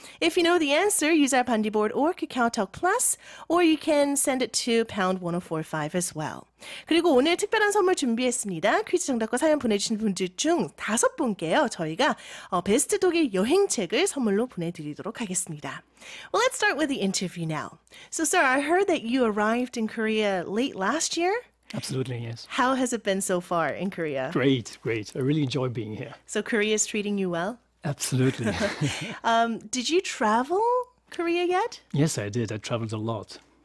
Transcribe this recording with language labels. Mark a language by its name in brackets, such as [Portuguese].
[English] If you know the answer, use our bandi board or KakaoTalk Plus, or you can send it to #1045 as well. [Korean] 그리고 오늘 특별한 선물 준비했습니다. 퀴즈 정답과 사연 보내주신 분들 중 다섯 분께요, 저희가 베스트 독일 여행책을 선물로 보내드리도록 하겠습니다. [English] Well, let's start with the interview now. So, sir, I heard that you arrived in Korea late last year. Absolutely, yes. How has it been so far in Korea? Great, great. I really enjoy being here. So Korea is treating you well? Absolutely. Did you travel Korea yet? Yes, I did. I traveled a lot.